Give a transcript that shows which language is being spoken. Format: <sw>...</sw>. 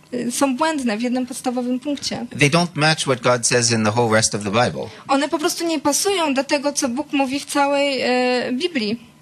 <pl>Są błędne w jednym podstawowym punkcie.</pl> <en>They don't match what God says in the whole rest of the Bible.</en> <pl>One po prostu nie pasują do tego, co Bóg mówi w całej Biblii.</pl>